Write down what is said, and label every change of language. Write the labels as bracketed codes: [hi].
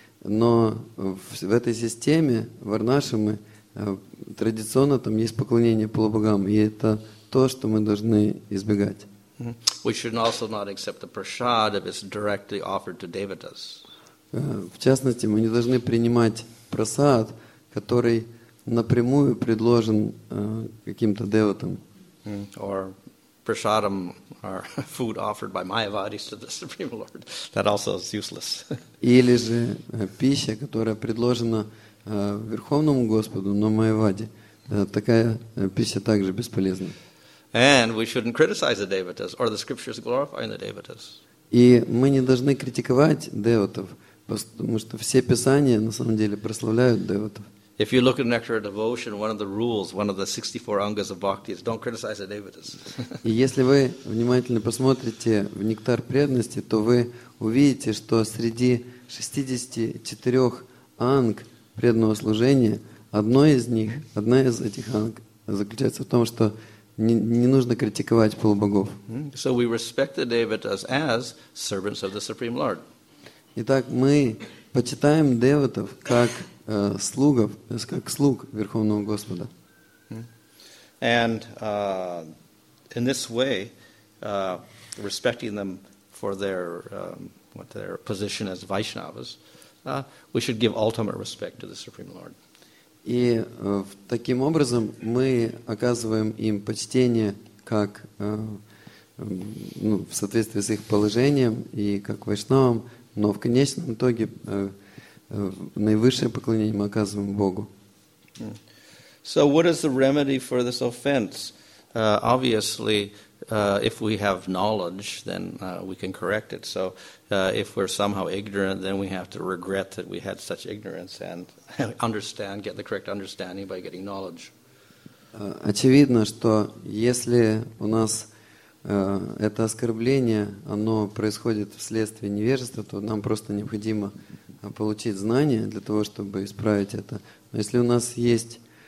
[ru] Но в этой системе, в Варнашраме, традиционно там есть поклонение полубогам, и это то, что мы должны избегать. В частности, мы не должны принимать прасад, который напрямую предложен каким-то деватам. [en] Prasadam or food offered by Mayavadis to the Supreme Lord. That also is useless. [ru] Или же пища, которая предложена Верховному Господу, но Майаваде, такая пища также бесполезна. [en] And we shouldn't criticize the devatas or the scriptures glorifying the devatas. [ru] И мы не должны критиковать деватов, потому что все писания на самом деле прославляют деватов. [en] If you look at Nectar of Devotion, one of the rules, one of the 64 angas of bhakti is don't criticize the devatas. [ru] И если вы внимательно посмотрите в Нектар преданности, то вы увидите, что среди 64 анг преданного служения, одна из этих анг заключается в том, что не нужно критиковать полубогов. [en] So we respect the devatas as servants of the Supreme Lord. [ru] Итак, мы почитаем деватов как слугов, как слуг Верховного Господа. [en] And in this way, respecting them for their what their position as Vaishnavas, we should give ultimate respect to the Supreme Lord. [ru] И таким образом мы оказываем им почтение как в соответствии с их положением и как Вайшнавам, но в конечном итоге наивысшее поклонение мы оказываем Богу. [en] So what is the remedy for this offense? Obviously, if we have knowledge, then we can correct it. So if we're somehow ignorant, then we have to regret that we had such ignorance and understand, get the correct understanding by getting knowledge. [ru] Очевидно, что если у нас это оскорбление, оно происходит вследствие невежества, то нам просто необходимо получить знания для того, чтобы исправить это. Но если у нас есть